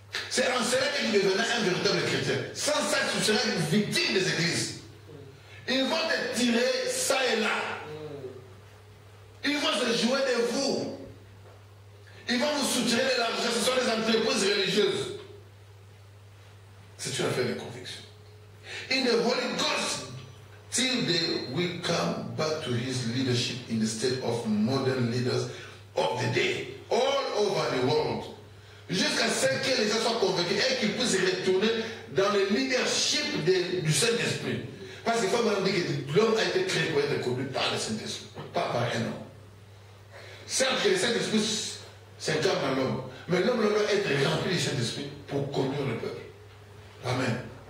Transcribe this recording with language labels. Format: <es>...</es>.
<fr>C'est en cela que tu deviendras un véritable chrétien. Sans ça, tu seras une victime des églises. Ils vont te tirer ça et là. Ils vont se jouer de vous. Ils vont vous soutirer de l'argent. Ce sont des entreprises religieuses. C'est une affaire de conviction.</fr> <en>In the Holy Ghost, till they will come back to his leadership instead of modern leaders of the day, all over the world.</en> <fr>Jusqu'à ce que les gens soient convaincus et qu'ils puissent retourner dans le leadership du Saint-Esprit. Parce qu'il faut me dire que l'homme a été créé pour être conduit par le Saint-Esprit, pas par un homme. Certes que le Saint-Esprit s'incarne dans l'homme, mais l'homme doit être rempli du Saint-Esprit pour conduire le peuple. Amen.</fr>